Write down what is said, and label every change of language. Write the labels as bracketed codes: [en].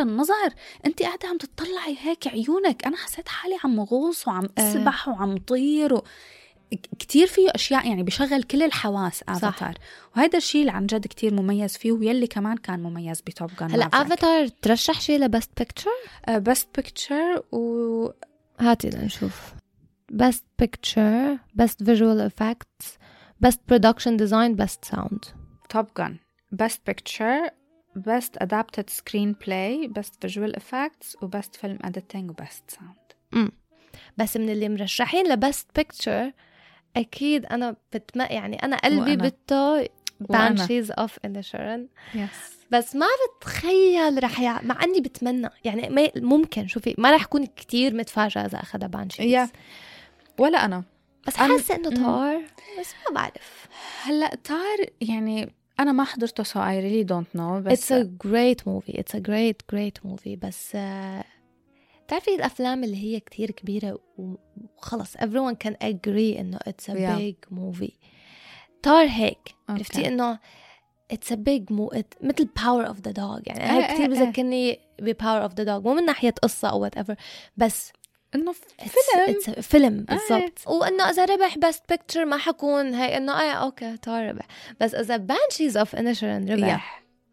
[ar] للنظر أنت قاعدة عم تطلعي هيك عيونك، أنا حسيت حالي عم غوص وعم أسبح وعم طير كتير فيه أشياء، يعني بشغل كل الحواس آفاتار، وهذا الشيء اللي عن جد كتير مميز فيه ويلي كمان كان مميز بتوب جان. هلا آفاتار ترشح شيء لبست بيكتشر؟ بست بيكتشر و هاتي لنشوف [en] best picture, best visual effects, best production design, best sound. Top Gun best picture, best adapted screenplay, best visual effects و best film editing و best sound. [ar] بس من اللي مرشحين لبست picture أكيد أنا بتما يعني أنا قلبي بتو Banshees of Inisherin. [en] yes. [ar] بس ما بتخيل رح مع أني بتمنى يعني ممكن شوفي ما رح يكون كتير متفاجأة إذا أخذها بانشيز ولا أنا بس حاسة أنه تار بس ما بعرف هلأ تار يعني أنا ما حضرته [en] so I really don't know [ar] بس [en] it's a great movie it's a great great movie [ar] بس تعرفي الأفلام اللي هي كتير كبيرة وخلص [en] everyone can agree أنه it's a big movie [ar] تار هيك عرفتي أنه [en] It's a big move. [ar] مثل Power of the Dog. يعني أنا كتير بذكرني بPower of the Dog. مو من ناحية قصة أو whatever. بس انه فيلم it's فيلم بالضبط. وانه اذا ربح بيست بيكتشر ما حكون هي انه اي اوكي طاربه، بس اذا بانشيز اوف انشرن ربح yeah.